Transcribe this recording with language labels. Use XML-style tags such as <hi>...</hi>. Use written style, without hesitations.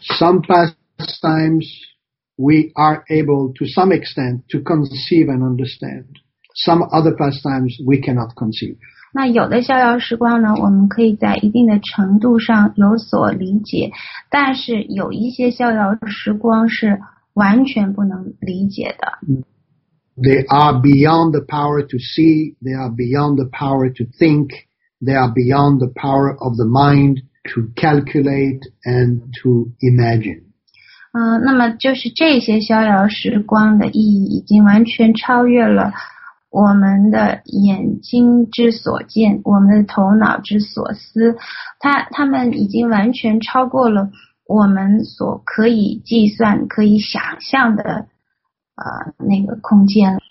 <en>Some pastimes we are able to some extent to conceive and understand. Some other pastimes we cannot conceive.</en> <zh>那有的逍遥时光呢，我们可以在一定的程度上有所理解，但是有一些逍遥时光是完全不能理解的。</zh> <en>They are beyond the power to see, they are beyond the power to think, they are beyond the power of the mind to calculate and to imagine.</en> <zh>那么就是这些逍遥时光的意义已经完全超越了我们的眼睛之所见，我们的头脑之所思，他们已经完全超过了我们所可以计算、可以想象的那个空间。</zh>